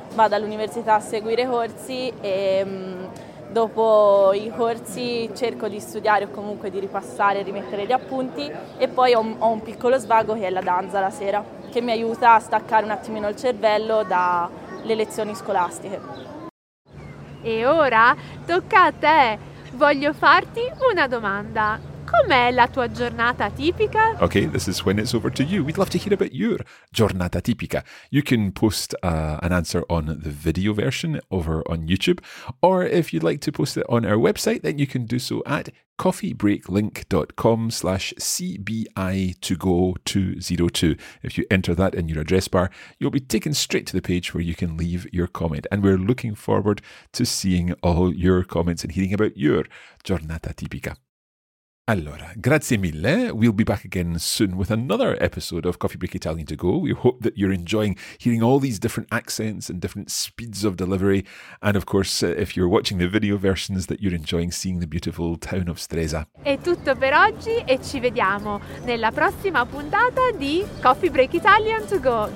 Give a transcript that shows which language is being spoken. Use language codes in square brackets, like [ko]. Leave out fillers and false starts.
[it] vado all'università a seguire corsi e dopo i corsi cerco di studiare o comunque di ripassare e rimettere gli appunti, e poi ho un piccolo svago che è la danza la sera, che mi aiuta a staccare un attimino il cervello dalle lezioni scolastiche. E ora tocca a te! Voglio farti una domanda. Com'è la tua giornata tipica? [en] Okay, this is when it's over to you. We'd love to hear about your giornata tipica. You can post an answer on the video version over on YouTube, or if you'd like to post it on our website, then you can do so at coffeebreaklink.com/CBI2Go202. If you enter that in your address bar, you'll be taken straight to the page where you can leave your comment. And we're looking forward to seeing all your comments and hearing about your giornata tipica. [it] Allora, grazie mille. [en] We'll be back again soon with another episode of Coffee Break Italian to Go. We hope that you're enjoying hearing all these different accents and different speeds of delivery. And of course, if you're watching the video versions, that you're enjoying seeing the beautiful town of Stresa. [it] È tutto per oggi e ci vediamo nella prossima puntata di Coffee Break Italian to Go.